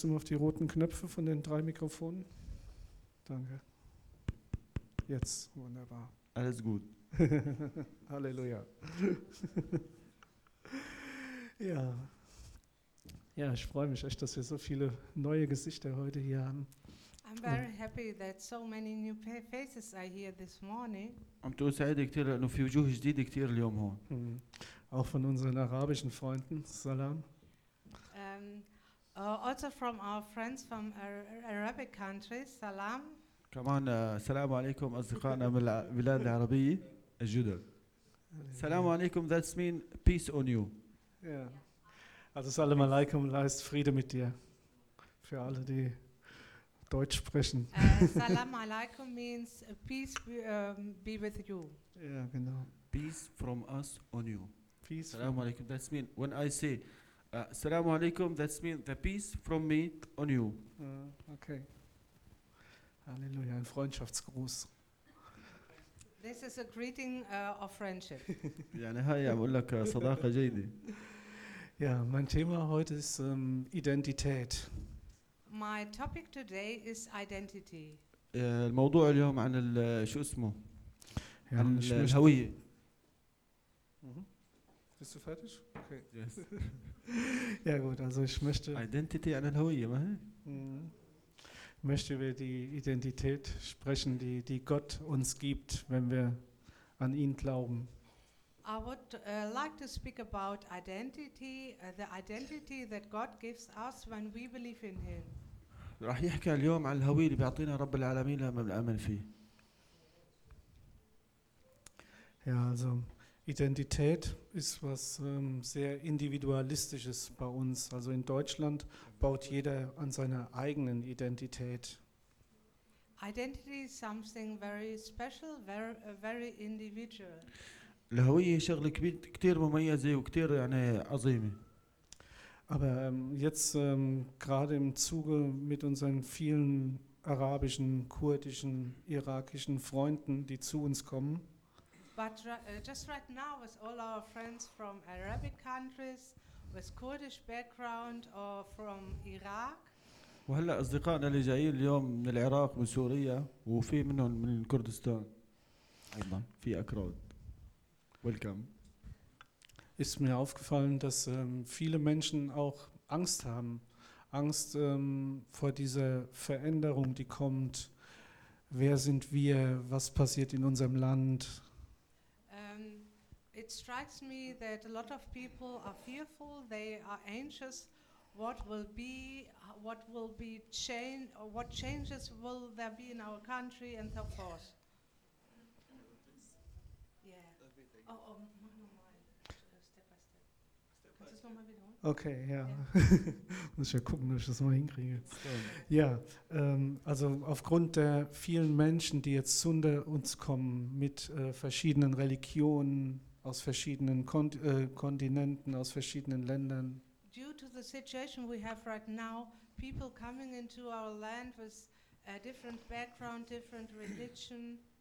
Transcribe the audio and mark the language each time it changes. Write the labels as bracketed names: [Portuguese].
[German] Mal auf die roten Knöpfe von den drei Mikrofonen. Danke. Jetzt, wunderbar. Alles gut. Halleluja. Ja. Ja, ich freue mich echt, dass wir so viele neue Gesichter heute hier haben. [English] I'm very happy that so many new faces are here this morning. [Arabic] سعيد كثير لأنه في وجوه جديدة كثير اليوم هون. [German] Auch von unseren arabischen Freunden. [Arabic] Salam. [English] Also from our friends from Arabic countries, salam. [Arabic] كمان السلام عليكم أصدقائنا من البلاد العربية الجدد. السلام عليكم, [English] that means peace on you. Yeah. [German] Also salam alaikum heißt Friede mit dir. Für alle, die Deutsch sprechen. [English] Salam alaikum means peace be with you. [German] Yeah, genau. [English] Peace from us on you. Peace. Salam alaikum, that means when I say Assalamu alaikum, that means the peace from me on you. Okay. [German] Halleluja, ein Freundschaftsgruß. [English] This is a greeting of friendship. [Arabic] يعني هاي عم أقول لك صداقة جيدة. [German] Ja, mein Thema heute ist Identität. [English] My topic today is identity. [Arabic] الموضوع اليوم عن شو اسمه؟ عن الهوية. [German] Bist du fertig? [English] Okay. Yes. [German] Ja gut, also ich möchte [Arabic] Identity an al-Hawiyya, ma? [German] Möchte über die Identität sprechen, die Gott uns gibt, wenn wir an ihn glauben. [English] I would like to speak about identity, the identity that God gives us when we believe in him. [Arabic] راح يحكي اليوم عن الهويه اللي بيعطينا رب العالمين لما بنؤمن فيه. [German] Ja, also Identität ist was sehr Individualistisches bei uns. Also in Deutschland baut jeder an seiner eigenen Identität. [English] Identity is something very special, very individual. [Arabic] الهوية شغلة كتير مميزة وكتير يعني عظيمة. [German] Aber jetzt gerade im Zuge mit unseren vielen arabischen, kurdischen, irakischen Freunden, die zu uns kommen, [English] but just right now with all our friends from Arabic countries with Kurdish background or from Iraq. [Arabic] وهلا اصدقائنا اللي جايين اليوم من العراق ومن سوريا وفي منهم من كردستان ايضا في اكراد. [English] Welcome. [German] Ist mir aufgefallen, dass viele Menschen auch Angst haben, Angst vor dieser Veränderung, die kommt. Wer sind wir? Was passiert in unserem Land? [English] It strikes me that a lot of people are fearful, they are anxious, what changes will there be in our country and so forth. Yeah. [German] Okay, ja. Muss ich ja gucken, ob ich das mal hinkriege. Ja, also aufgrund der vielen Menschen, die jetzt zu uns kommen, mit verschiedenen Religionen, aus verschiedenen Kontinenten, aus verschiedenen Ländern. [English] Due to the situation we have right now, people coming into our land with a different background, different religion.